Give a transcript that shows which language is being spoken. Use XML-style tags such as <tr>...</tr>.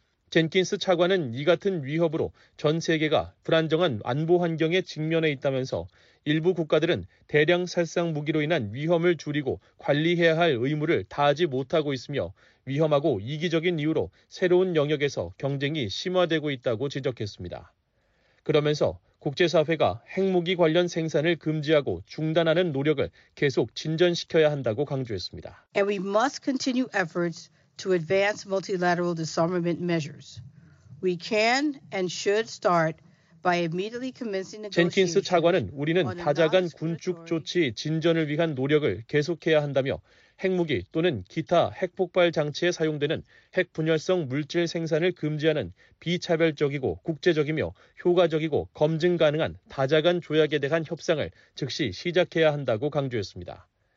<ko>젠킨스 차관은 이 같은 위협으로 전 세계가 불안정한 안보 환경에 직면해 있다면서 일부 국가들은 대량 살상 무기로 인한 위험을 줄이고 관리해야 할 의무를 다하지 못하고 있으며 위험하고 이기적인 이유로 새로운 영역에서 경쟁이 심화되고 있다고 지적했습니다. 그러면서 국제사회가 핵무기 관련 생산을 금지하고 중단하는 노력을 계속 진전시켜야 한다고 강조했습니다.</ko> <en>And we must continue efforts to advance multilateral disarmament measures. We can and should start by immediately commencing negotiations.</en> <ko>젠킨스 차관은 우리는 다자간 군축 조치 진전을 위한 노력을 계속해야 한다며 핵무기 또는 기타 핵폭발 장치에 사용되는 핵분열성 물질 생산을 금지하는 비차별적이고 국제적이며 효과적이고 검증 가능한 다자간 조약에 대한 협상을 즉시 시작해야 한다고 강조했습니다.</ko>